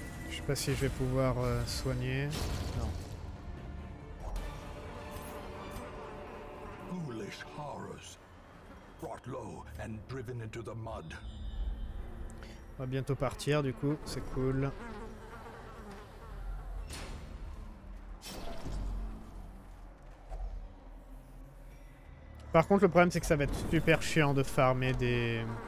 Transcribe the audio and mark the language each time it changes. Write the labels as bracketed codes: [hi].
[fr] Je sais pas si je vais pouvoir soigner. Non. [en] Foolish horrors, brought low and driven into the mud. [fr] On va bientôt partir, du coup, c'est cool. Par contre, le problème, c'est que ça va être super chiant de farmer des...